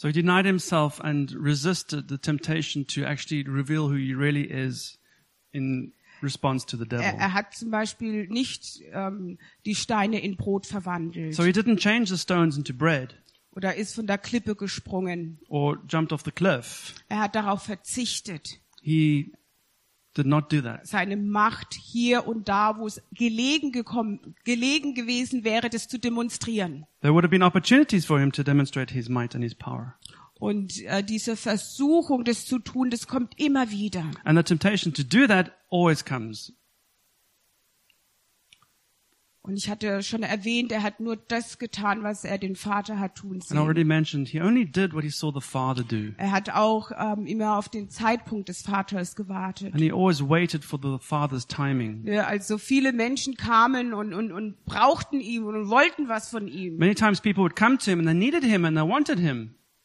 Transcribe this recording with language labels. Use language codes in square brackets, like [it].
[en] So he denied himself and resisted the temptation to actually reveal who he really is in response to the devil. [de] Er hat zum Beispiel nicht die Steine in Brot verwandelt. [en] So he didn't change the stones into bread. [de] Oder ist von der Klippe gesprungen. [en] Or jumped off the cliff. [de] Er hat darauf verzichtet. [en] He did not do that. [de] Seine Macht hier und da, wo es gelegen gewesen wäre, das zu demonstrieren. [en] There would have been opportunities for him to demonstrate his might and his power. [de] Und diese Versuchung, das zu tun, das kommt immer wieder. [en] And the temptation to do that always comes. [de] Und ich hatte schon erwähnt, er hat nur das getan, was er den Vater hat tun sehen. [en] And already mentioned, he only did what he saw the Father do. [de] Er hat auch immer auf den Zeitpunkt des Vaters gewartet. [en] And he always waited for the Father's timing. [de] Ja, also viele Menschen kamen und brauchten ihn und wollten was von ihm. [en] Many times people would come to him and they needed him and they wanted him.